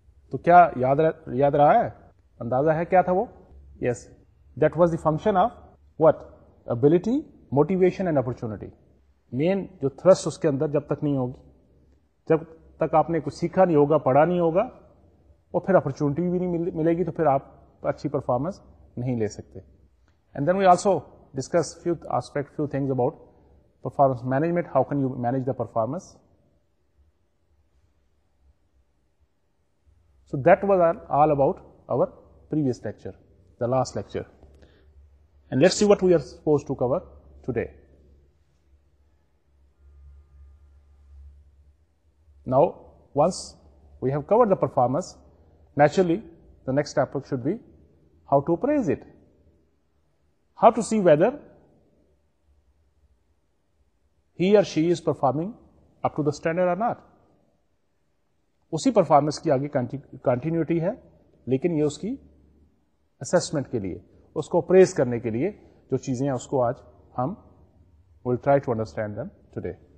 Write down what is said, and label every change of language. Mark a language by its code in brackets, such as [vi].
[ur] تو کیا یاد رہا ہے, اندازہ ہے کیا تھا وہ؟ [en] Yes, that was the function of what? Ability, motivation and opportunity. [ur] Main جو thrust اس کے اندر جب تک نہیں ہوگی, جب تک آپ نے کچھ سیکھا نہیں ہوگا, پڑھا نہیں ہوگا, اور پھر opportunity بھی نہیں ملے گی, تو پھر آپ اچھی پرفارمنس نہیں لے سکتے. [en] And then we also discuss few aspects, few things about performance management, how can you manage the performance. So that was all about our previous lecture, the last lecture. And let's see what we are supposed to cover today. Now, once we have covered the performance, naturally, the next topic should be how to appraise it. How to see whether he or she is performing up to the standard or not. [ur] اسی performance کی آگے continuity ہے, لیکن یہ اس کی assessment کے لیے, اس کو اپریز کرنے کے لیے جو چیزیں ہیں, اس کو آج ہم [en] Will try to understand them today.